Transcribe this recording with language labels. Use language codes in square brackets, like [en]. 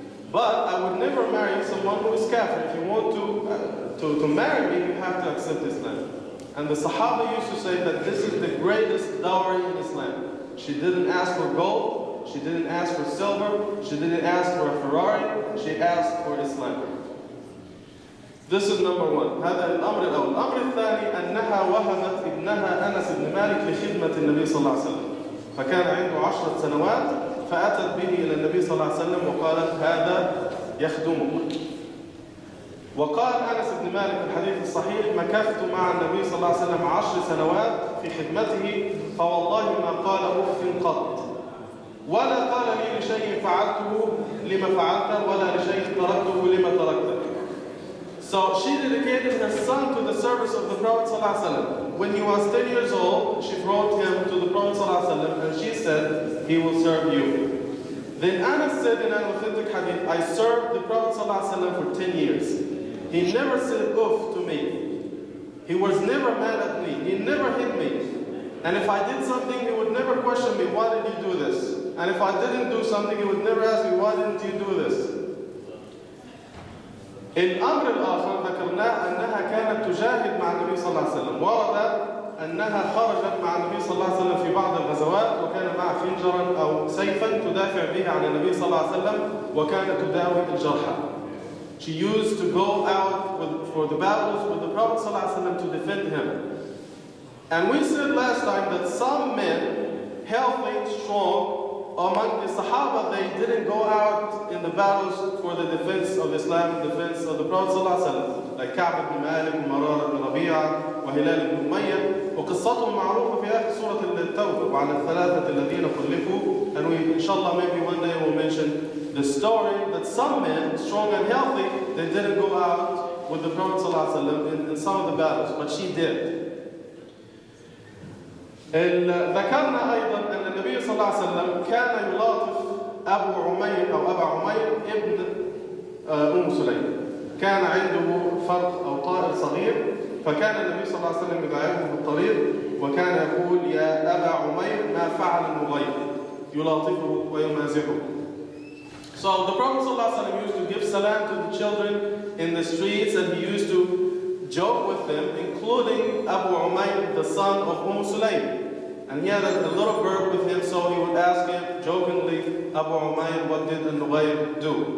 [en] But I would never marry someone who is Kafir. If you want to marry me, you have to accept Islam. And the Sahaba used to say that this is the greatest dowry in Islam. She didn't ask for gold. She didn't ask for silver, she didn't ask for a Ferrari, she asked for Islam. This is number one. [ar] هذا الأمر الأول. الأمر الثاني أنها وهبت ابنها أنس بن مالك لخدمة النبي صلى الله عليه وسلم. فكان عنده 10 سنوات، فأتت به إلى النبي صلى الله عليه وسلم وقالت هذا يخدمك. وقال أنس بن مالك في الحديث الصحيح مكثت مع النبي صلى الله عليه وسلم 10 سنوات في خدمته، فوالله ما قال أف قط، ولا قال لي لشيء فعلته لما فعلته، ولا لشيء تركته لما تركته. [en] So she dedicated her son to the service of the Prophet صلى الله عليه وسلم. When he was 10 years old, she brought him to the Prophet صلى الله عليه وسلم and she said, he will serve you. Then Anas said in an authentic hadith, I served the Prophet صلى الله عليه وسلم for 10 years. He never said oof to me. He was never mad at me. He never hit me. And if I did something, he would never question me, why did you do this? And if I didn't do something, he would never ask me, why didn't you do this? [ar] الأمر الآخر ذكرنا أنها كانت تجاهد مع النبي صلى الله عليه وسلم. ورد أنها خرجت مع النبي صلى الله عليه وسلم في بعض الغزوات، وكان معها خنجرا أو سيفا تدافع به عن النبي صلى الله عليه وسلم، وكانت تداوي الجرحى. [en] She used to go out for the battles with the Prophet صلى الله عليه وسلم to defend him. And we said last time that some men, healthy, strong, among the Sahaba, they didn't go out in the battles for the defense of Islam, the defense of the Prophet صلى الله عليه وسلم. Like Ka'b ibn Malik, Marar ibn Rabi'a, Wahilal ibn Umayyah. [ar] وقصتهم معروفة في آخر سورة التوبة عن الثلاثة الذين خلفوا. [en] And we, inshallah, maybe one day we'll mention the story that some men, strong and healthy, they didn't go out with the Prophet صلى الله عليه وسلم in some of the battles, but she did. [ar] ذكرنا أيضا أن النبي صلى الله عليه وسلم كان يلاطف أبو عمير أو أبا عمير ابن أم سليم. كان عنده فرق أو طائر صغير، فكان النبي صلى الله عليه وسلم إذا يعرفه في الطريق وكان يقول يا أبا عمير ما فعل المغير، يلاطفه ويمازحه. [en] So the Prophet صلى الله عليه وسلم used to give salam to the children in the streets and he used to joke with them, including Abu Umayr, the son of Umm Sulaym. And he had a little bird with him, so he would ask him jokingly, Abu Umayr, what did Al-Nughayr do?